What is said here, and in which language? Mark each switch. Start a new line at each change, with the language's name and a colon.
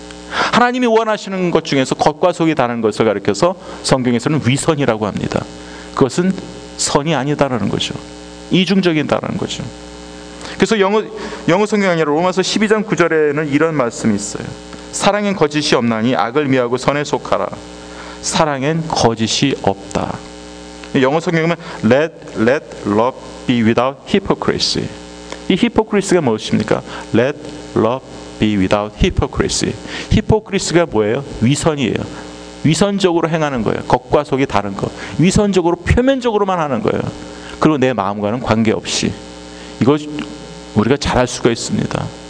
Korean: 하나님이 원하시는 것 중에서 겉과 속이 다른 것을 가르쳐서 성경에서는 위선이라고 합니다. 그것은 선이 아니다라는 거죠. 이중적인다라는 거죠. 그래서 영어 성경이 아니라 로마서 12장 9절에는 이런 말씀이 있어요. 사랑엔 거짓이 없나니 악을 미하고 선에 속하라. 사랑엔 거짓이 없다. 영어 성경은
English: let love be without hypocrisy.
Korean: 이 hypocrisy가 무엇입니까?
English: Let love be without hypocrisy.
Korean: Hypocrisy가 뭐예요? 위선이에요. 위선적으로 행하는 거예요. 겉과 속이 다른 거. 위선적으로 표면적으로만 하는 거예요. 그리고 내 마음과는 관계없이. 이거 우리가 잘할 수가 있습니다.